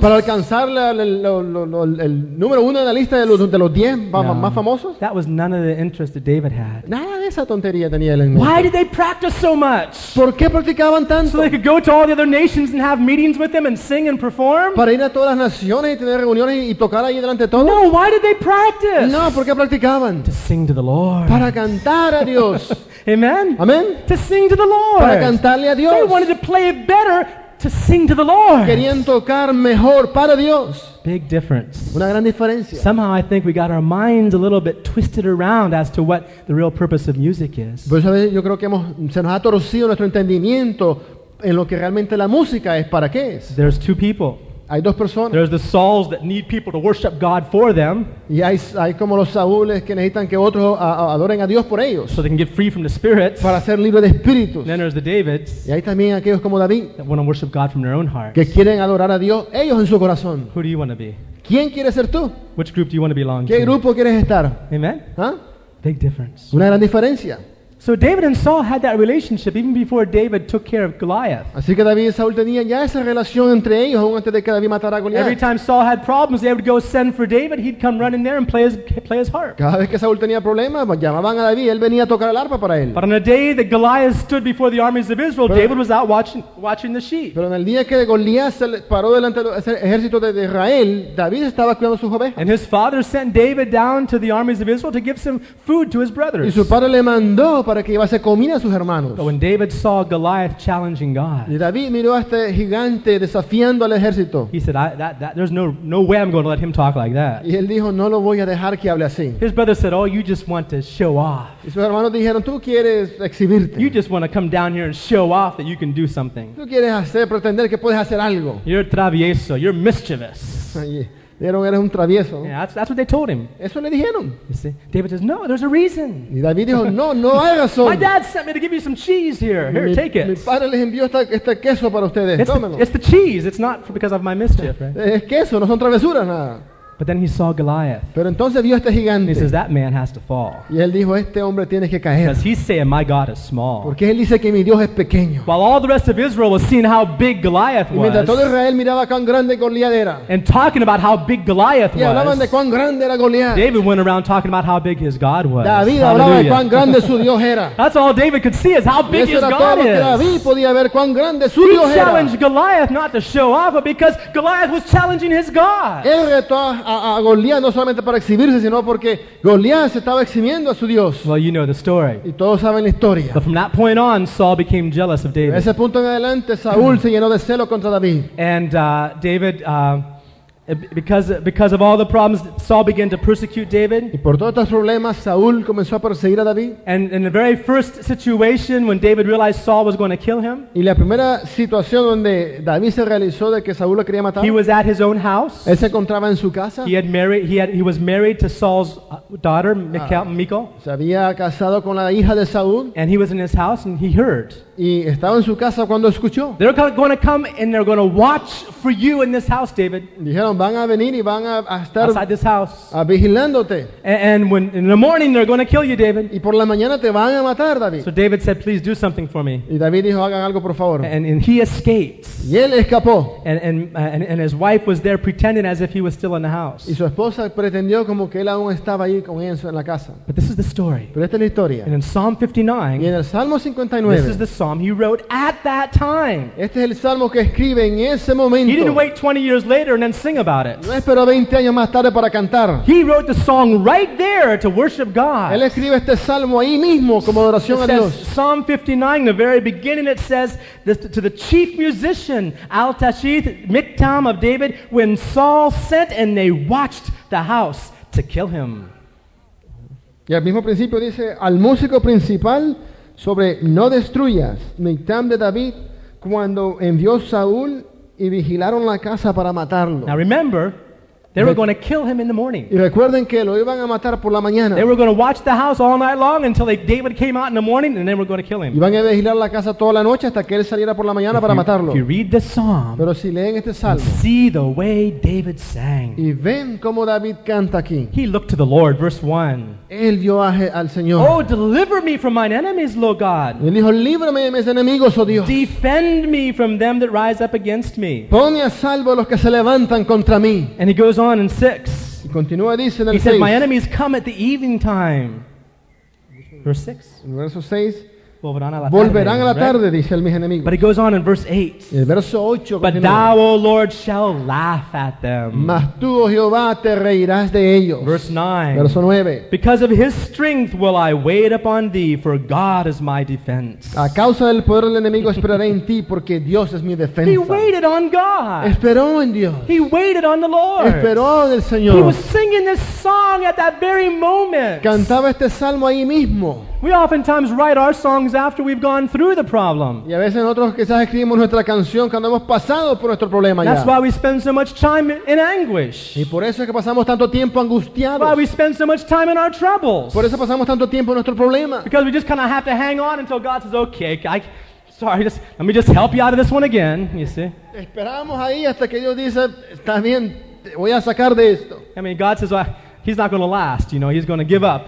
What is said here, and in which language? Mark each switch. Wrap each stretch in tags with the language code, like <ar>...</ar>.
<es>para alcanzar el número uno de la lista de los 10 más famosos.</es> <en>That was none of the interest that David had.</en> <es>Nada de esa tontería tenía él en</es> <en>mente. Why did they practice so much?</en> <es>¿Por qué practicaban tanto?</es> <en>So they could go to all the other nations and have meetings with them and sing and perform.</en> <es>Para ir a todas las naciones y tener reuniones y tocar ahí delante de todos.</es> <en>No, why did they practice?</en> <es>No, ¿por qué practicaban?</es> <en>To sing to the Lord.</en> <es>Para cantar a Dios.</es> <en>Amen.</en> <es>Amen.</es> <en>To sing to the Lord.</en> <es>Para cantarle a Dios.</es> <en>They wanted to play it better to sing to the Lord.</en> <es>Querían tocar mejor para Dios.</es> <en>Big difference.</en> <es>Una gran diferencia.</es> <en>Somehow I think we got our minds a little bit twisted around as to what the real purpose of music is.</en> <es>Pues a veces yo creo que se nos ha torcido nuestro entendimiento en lo que realmente la música es, para qué es.</es> <en>There's two people.</en> <es>Hay dos personas.</es> <en>There's the Sauls that need people to worship God for them.</en> <es>Y hay como los Saúles que necesitan que otros adoren a Dios por ellos.</es> <en>So they can get free from the spirits.</en> <es>Para ser libre de espíritus.</es> <en>And then there's the Davids.</en> <es>Y hay también aquellos como David.</es> <en>That want to worship God from their own hearts.</en> <es>Que quieren adorar a Dios ellos en su corazón.</es> <en>Who do you want to be?</en> <es>¿Quién quieres ser tú?</es> <en>Which group do you want to belong to?</en> <es>¿Qué grupo quieres estar?</es> <en>Amen. ¿Huh? Big difference.</en> <es>Una gran diferencia.</es> <en>So David and Saul had that relationship even before David took care of Goliath.</en> <es>Así que David y Saúl tenían ya esa relación entre ellos aún antes de que David matara a Goliath.</es> <en>Every time Saul had problems, they would go send for David. He'd come running there and play his harp.</en> <es>Cada vez que Saúl tenía problemas, llamaban a David. Él venía a tocar el arpa para él.</es> <en>But on the day that Goliath stood before the armies of Israel, David was out watching the sheep.</en> <es>Pero en el día que Goliath se paró delante del ejército de Israel, David estaba cuidando sus ovejas.</es> <en>And his father sent David down to the armies of Israel to give some food to his brothers.</en> <es>Y su padre le mandó para que llevase comida a sus hermanos.</es> <en>But when David saw Goliath challenging God,</en> <es>y David miró a este gigante desafiando al ejército,</es> <en>he said, there's no way I'm going to let him talk like that.</en> <es>Y él dijo, no lo voy a dejar que hable así.</es> <en>His brother said, oh, you just want to show off.</en> <es>Y sus hermanos dijeron, tú quieres exhibirte.</es> <en>You just want to come down here and show off that you can do something.</en> <es>Tú quieres pretender que puedes hacer algo.</es> <en>You're travieso, you're mischievous.</en> <es>Dijeron, eres un travieso.</es> <en>Yeah, that's what they told him.</en> <es>Eso le dijeron.</es> <en>You see, David says, no, there's a reason.</en> <es>Y David dijo, no hay razón.</es> <en>My dad sent me to give you some cheese here. Take it.</en> <es>Mi padre les envió este queso para ustedes. Tómenlo.</es> <en>It's the cheese. It's not because of my mischief. Right?</en> <es>Es queso, no son travesuras, nada.</es> <en>But then he saw Goliath.</en> <es>Pero entonces vio este gigante.</es> <en>He says, that man has to fall.</en> <es>Y él dijo, este hombre tiene que caer.</es> <en>Because he's saying, my God is small.</en> <es>Porque él dice que mi Dios es pequeño.</es> <en>While all the rest of Israel was seeing how big Goliath was.</en> <es>Y mientras todo Israel miraba cuán grande Goliath era.</es> <en>And talking about how big Goliath</en> <es>y hablaban De cuán grande era Goliath.</es> <en>David went around talking about how big his God was.</en> <es>David hablaba de cuán grande su Dios era.</es> <en>That's all David could see is how big his God is.</en> <es>David podía ver cuán grande su</es> <en>he</en> <es>Dios</es> <en>challenged</en> <es>era.</es> <en>Goliath not to show off, but because Goliath was challenging his God.</en> <es>Él retó a Goliat no solamente para exhibirse sino porque Goliat se estaba exhibiendo a su Dios.</es> <en>Well, you know the story.</en> <es>Y todos saben la historia.</es> <en>But from that point on, Saul became jealous of David.</en> <es>De ese punto en adelante, Saúl se llenó de celo contra David.</es> <en>And David, because of all the problems, Saul began to persecute David.</en> <es>Y por todos estos problemas, Saúl comenzó a perseguir a David.</es> <en>And in the very first situation, when David realized Saul was going to kill him,</en> <es>y la primera situación donde David se realizó de que Saúl lo quería matar,</es> <en>he was at his own house.</en> <es>Él se encontraba en su casa.</es> <en>He was married to Saul's daughter, Michal.</en> <es>Se había casado con la hija de Saúl.</es> <en>And he was in his house, and he heard.</en> <es>Y estaba en su casa cuando escuchó.</es> <en>They're going to come and they're going to watch for you in this house, David.</en> <es>Dijeron, van a venir y van a estar</es> <en>outside this house.</en> <es>A vigilándote.</es> <en>And when in the morning they're going to kill you, David.</en> <es>Y por la mañana te van a matar, David.</es> <en>So David said, please do something for me.</en> <es>Y David dijo, hagan algo por favor.</es> <en>And he escapes.</en> <es>Y él escapó.</es> <en>And his wife was there pretending as if he was still in the house.</en> <es>Y su esposa pretendió como que él aún estaba ahí con ella en la casa.</es> <en>But this is the story.</en> <es>Pero esta es la historia.</es> <en>And in Psalm 59.</en> <es>Y en el Salmo 59.</es> <en>This is the psalm he wrote at that time.</en> <es>Este es el salmo que escribe en ese momento.</es> <en>He didn't wait 20 years later and then sing about it. about it.</en> <es>No esperó 20 años más tarde para cantar.</es> <en>He wrote the song right there to worship God.</en> <es>Él escribe este salmo ahí mismo como adoración a Dios.</es> <en>Psalm 59, the very beginning, it says to the chief musician, Al-Tashith, Miktam of David, when Saul sent and they watched the house to kill him.</en> <es>Y al mismo principio dice, al músico principal sobre no destruyas, Miktam de David, cuando envió Saúl y vigilaron la casa para matarlo.</es> <en>Now remember, they were going to kill him in the morning.</en> <es>Y recuerden que lo iban a matar por la mañana.</es> <en>They were going to watch the house all night long until David came out in the morning, and then we're going to kill him.</en> <es>Iban a vigilar la casa toda la noche hasta que él saliera por la mañana para matarlo.</es> <en>If you read the psalm,</en> <es>pero si leen este salmo,</es> <en>see the way David sang.</en> <es>Y ven cómo David canta aquí.</es> <en>He looked to the Lord, verse 1.</en> <es>Él vio al Señor.</es> <en>Oh, deliver me from mine enemies, Lord God.</en> <es>Él dijo, líbrame de mis enemigos, oh Dios.</es> <en>Defend me from them that rise up against me.</en> <es>Ponme a salvo los que se levantan contra mí.</es> <en>And he goes on. And 6.</en> <es>Y continúa, dice, en el</es> <en>he said, my enemies come at the evening time. Verse 6.</en> <es>En verso 6. Volverán a la tarde, right? Dice el mis enemigos.</es> <en>But it goes on in verse 8.</en> <es>El verso 8</es> <en>but</en> <es>continúa.</es> <en>Thou, O Lord, shall laugh at them.</en> <es>Mas tú, oh Jehová, te reirás de ellos.</es> <en>Verse 9.</en> <es>Verso 9.</es> <en>Because of his strength will I wait upon thee, for God is my defense.</en> <es>A causa del poder del enemigo esperaré en ti, porque Dios es mi defensa.</es> <en>He waited on God.</en> <es>Esperó en Dios.</es> <en>He waited on the Lord.</en> <es>Esperó en el Señor.</es> <en>He was singing this song at that very moment.</en> <es>Cantaba este salmo ahí mismo.</es> <en>We oftentimes write our songs after we've gone through the problem.</en> <es>Y a veces nosotros quizás escribimos nuestra canción cuando hemos pasado por nuestro problema ya.</es> <en>That's why we spend so much time in anguish.</en> <es>Y por eso es que pasamos tanto tiempo angustiados.</es> <en>Why we spend so much time in our troubles.</en> <es>Por eso pasamos tanto tiempo en nuestro problema.</es> <en>Because we just kind of have to hang on until God says, okay, let me just help you out of this one again, you see.</en> <es>Esperamos ahí hasta que Dios dice, está bien, te voy a sacar de esto.</es> <en>I mean, God says, well, he's not going to last, you know, he's going to give up.</en>